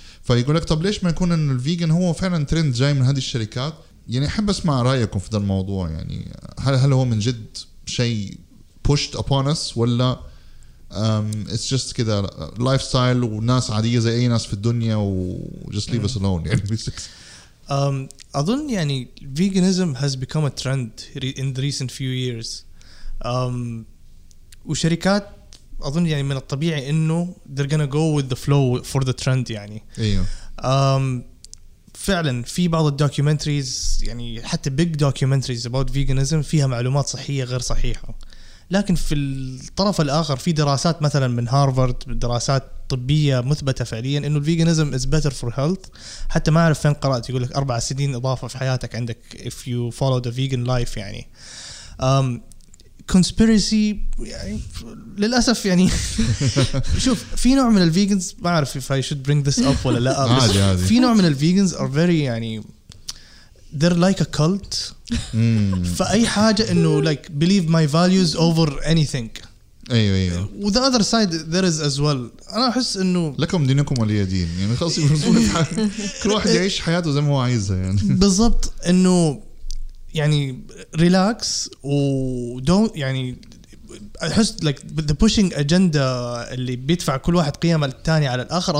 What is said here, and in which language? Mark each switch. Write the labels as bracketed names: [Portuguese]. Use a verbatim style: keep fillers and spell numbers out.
[Arabic] فيقول لك طب ليش ما يكون إنه الفيجن هو فعلا ترند جاي من هذه الشركات؟ يعني أحب أسمع رأيكم في هذا الموضوع. يعني هل هل هو من جد شيء [English] pushed upon us، [Arabic] ولا [English] it's just [Arabic] كده [English] lifestyle [Arabic] وناس عادية زي أي ناس في الدنيا و [English] just leave us alone [Arabic] يعني بيسكس؟ أظن يعني [English] veganism has become a trend in the recent few years. [Arabic] أم وشركات أظن يعني من الطبيعي إنه [English] they're gonna go with the flow for the trend [Arabic] يعني. أيوة. أم فعلاً في بعض الدوكيومنتريز يعني حتى [English] big documentaries about veganism [Arabic] فيها معلومات صحية غير صحيحة، لكن في الطرف الآخر في دراسات مثلاً من هارفارد، دراسات طبية مثبتة فعلياً إنه [English] veganism is better for health. [Arabic] حتى ما أعرف فين قرأت يقول لك أربع سنين إضافة في حياتك عندك [English] if you follow the vegan life [Arabic] يعني. أم [English] conspiracy [Arabic] يعني للأسف يعني شوف في نوع من الفيجنز، ما أعرف [English] if I should bring this up [Arabic] ولا لا، عادي عادي. في نوع من الفيجنز [English] are very [Arabic] يعني [English] they're like a cult. [Arabic] فأي حاجة إنه [English] like believe my values over anything. [Arabic] أيوة أيوة. [English] وthe other side there is as well. [Arabic] أنا أحس إنه لكم دينكم ولي دين، يعني خلاص يفرضون كل واحد يعيش حياته زي ما هو عايزها يعني. بالضبط، إنه يعني ريلاكس و [English] don't [Arabic] يعني أحس [English] like the pushing agenda [Arabic] اللي بيدفع كل واحد قيمة الثاني على الآخر.